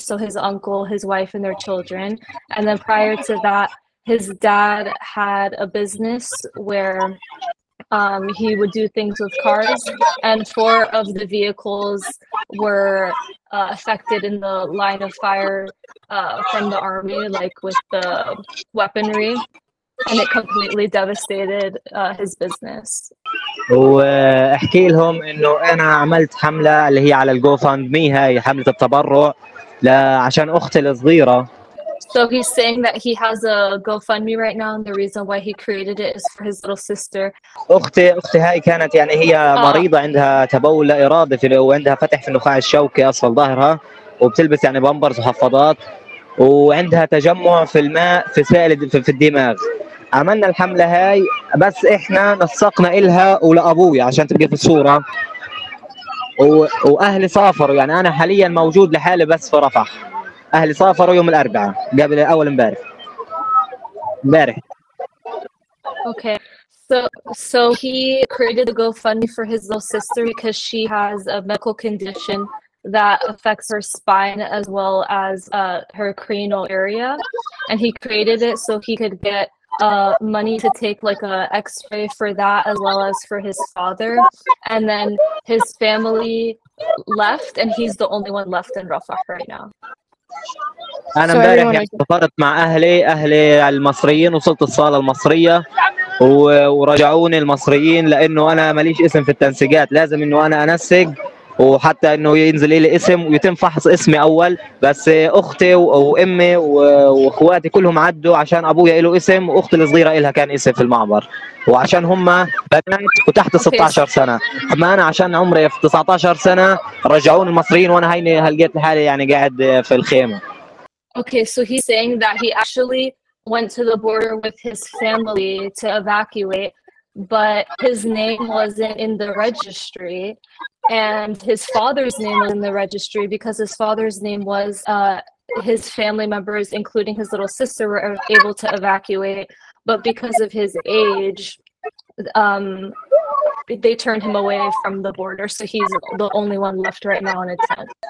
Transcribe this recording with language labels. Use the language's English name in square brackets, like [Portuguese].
[English] So his uncle, his wife, and their children. And then prior to that, his dad had a business where he would do things with cars, and four of the vehicles were affected in the line of fire from the army, like with the weaponry, and it completely devastated his business. [Arabic] واحكي لهم انه انا عملت حمله اللي هي على الجوفاندمي هاي حمله التبرع لعشان اختي الصغيره. [English] So he's saying that he has a GoFundMe right now, and the reason why he created it is for his little sister. [Arabic] أختي هاي كانت يعني هي مريضة عندها تبول لا إرادة في وعندها فتح في النخاع الشوكي أصل ظهرها وبتلبس يعني بامبرز وحفاضات وعندها تجمع في الماء في سائل في الدماغ. عملنا الحملة هاي بس إحنا نسقنا إلها ولأبوي عشان تبقى في الصورة وأهلي سافروا يعني أنا حاليا موجود لحالي بس في رفح. أهلي سافروا يوم الأربعاء قبل أول امبارح. [English] Okay, so he created the GoFundMe for his little sister because she has a medical condition that affects her spine as well as her cranial area, and he created it so he could get money to take like a X-ray for that as well as for his father, and then his family left and he's the only one left in Rafah right now. [Arabic] انا امبارح سافرت مع اهلي المصريين وصلت الصاله المصريه ورجعوني المصريين لانه انا ماليش اسم في التنسيقات لازم انه انا انسق وحتى انه ينزل لي اسم ويتم فحص اسمي اول بس اختي وامي واخواتي كلهم عدوا عشان ابويا له اسم واختي الصغيره لها كان اسم في المعبر وعشان هم بنات وتحت 16 سنه اما انا عشان عمري في 19 سنه رجعوني المصريين وانا هيني هلقيت حالي يعني قاعد في الخيمه. [English] Okay, so he's saying that he actually went to the border with his family to evacuate, but his name wasn't in the registry, and his father's name was in the registry because his father's name was his family members, including his little sister, were able to evacuate, but because of his age, they turned him away from the border, so he's the only one left right now in a tent.